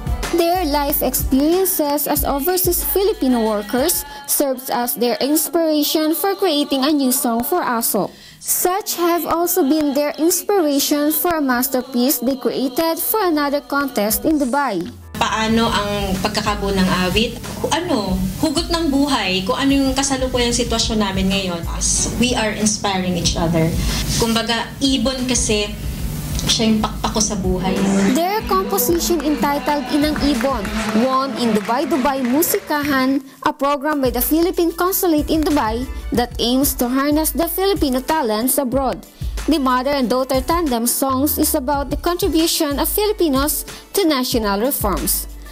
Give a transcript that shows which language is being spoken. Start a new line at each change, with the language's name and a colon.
English: Their life experiences as overseas Filipino workers serves as their inspiration for creating a new song for ASOP. Such have also been their inspiration for a masterpiece they created for another contest in Dubai.
Filipino: Paano ang pagkakabo ng awit? Ano, hugot ng buhay, kung ano yung kasalukuyang sitwasyon namin ngayon.
English: As we are inspiring each other.
Filipino: Kumbaga, ibon kasi siya yung pakpak ko sa buhay.
English: Their composition entitled Inang Ibon won in Dubai Musikahan, a program by the Philippine Consulate in Dubai that aims to harness the Filipino talents abroad. The mother and daughter tandem songs is about the contribution of Filipinos to national reforms.